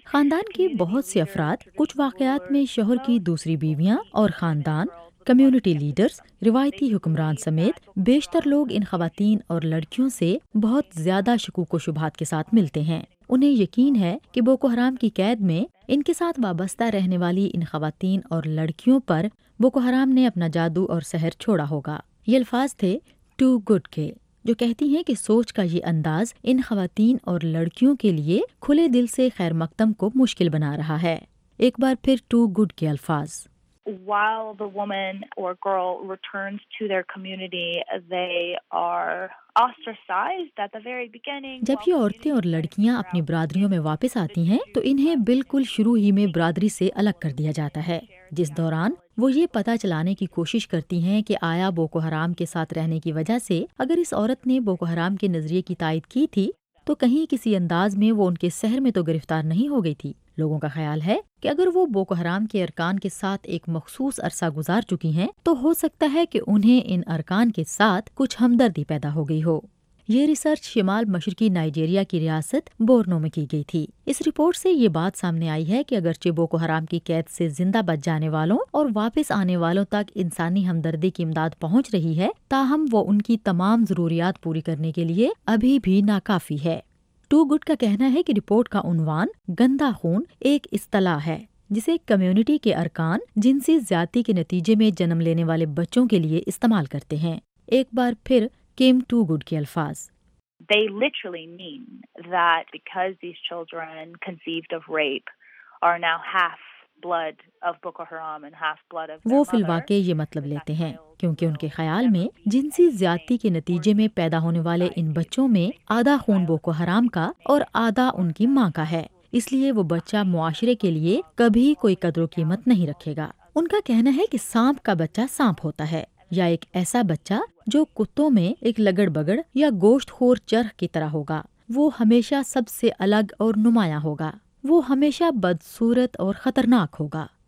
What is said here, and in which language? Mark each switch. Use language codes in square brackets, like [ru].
[ur] خاندان کے بہت سے افراد، کچھ واقعات میں شوہر کی دوسری بیویاں اور خاندان، کمیونٹی لیڈرز، روایتی حکمران سمیت بیشتر لوگ ان خواتین اور لڑکیوں سے بہت زیادہ شکوک و شبہات کے ساتھ ملتے ہیں۔ انہیں یقین ہے کہ بوکو حرام کی قید میں ان کے ساتھ وابستہ رہنے والی ان خواتین اور لڑکیوں پر بوکو حرام نے اپنا جادو اور سحر چھوڑا ہوگا۔ یہ الفاظ تھے ٹو گڈ کے، جو کہتی ہیں کہ سوچ کا یہ انداز ان خواتین اور لڑکیوں کے لیے کھلے دل سے خیر مقدم کو مشکل بنا رہا ہے۔ ایک بار پھر ٹو گڈ کے الفاظ۔ [en] While the woman or girl returns to their community, they are ostracized at the very beginning. [ur] جب یہ عورتیں اور لڑکیاں اپنی برادریوں میں واپس آتی ہیں تو انہیں بالکل شروع ہی میں برادری سے الگ کر دیا جاتا ہے، جس دوران وہ یہ پتہ چلانے کی کوشش کرتی ہیں کہ آیا بوکو حرام کے ساتھ رہنے کی وجہ سے اگر اس عورت نے بوکو حرام کے نظریے کی تائید کی تھی تو کہیں کسی انداز میں وہ ان کے سحر میں تو گرفتار نہیں ہو گئی تھی۔ لوگوں کا خیال ہے کہ اگر وہ بوکو حرام کے ارکان کے ساتھ ایک مخصوص عرصہ گزار چکی ہیں تو ہو سکتا ہے کہ انہیں ان ارکان کے ساتھ کچھ ہمدردی پیدا ہو گئی ہو۔ یہ ریسرچ شمال مشرقی نائجیریا کی ریاست بورنو میں کی گئی تھی۔ اس رپورٹ سے یہ بات سامنے آئی ہے کہ اگرچہ بوکو حرام کی قید سے زندہ بچ جانے والوں اور واپس آنے والوں تک انسانی ہمدردی کی امداد پہنچ رہی ہے، تاہم وہ ان کی تمام ضروریات پوری کرنے کے لیے ابھی بھی ناکافی ہے۔ ٹو گڈ کا کہنا ہے کہ رپورٹ کا عنوان گندا خون ایک اصطلاح ہے جسے کمیونٹی کے ارکان جنسی زیادتی کے نتیجے میں جنم لینے والے بچوں کے لیے استعمال کرتے ہیں۔ ایک بار پھر کیم ٹو گڈ کے الفاظ۔ [en] They literally mean that because these children conceived of rape are now half blood of Boko Haram and half blood of their mother. [ur] وہ فی الواقع یہ مطلب لیتے ہیں، کیونکہ ان کے خیال میں جنسی زیادتی کے نتیجے میں پیدا ہونے والے ان بچوں میں آدھا خون بوکو حرام کا اور آدھا ان کی ماں کا ہے، اس لیے وہ بچہ معاشرے کے لیے کبھی کوئی قدر و قیمت نہیں رکھے گا۔ ان کا کہنا ہے کہ سانپ کا بچہ سانپ ہوتا ہے، یا ایک ایسا بچہ جو کتوں میں ایک لگڑ بگڑ یا گوشت خور چرخ کی طرح ہوگا، وہ ہمیشہ سب سے الگ اور نمایاں ہوگا، وہ ہمیشہ بدصورت اور خطرناک ہوگا